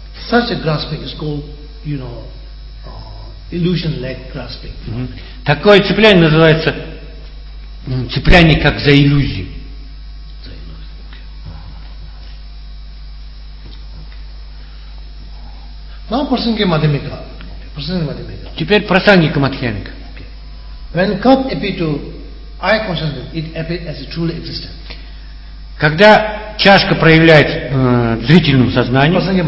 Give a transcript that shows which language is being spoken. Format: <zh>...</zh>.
<en>Such a grasping is called, you know, illusion-like grasping. Mm-hmm.</en> <ru>Такое цепляние называется цепляние как за иллюзию.</ru> <en>Now prasangika madhyamika. Prasangika madhyamika.</en> <ru>Теперь prasangika madhyamika.</ru> <en>When cup appears to eye consciousness, it appears as a truly existent.</en> <ru>Когда чашка проявляет зрительным сознанием,</ru>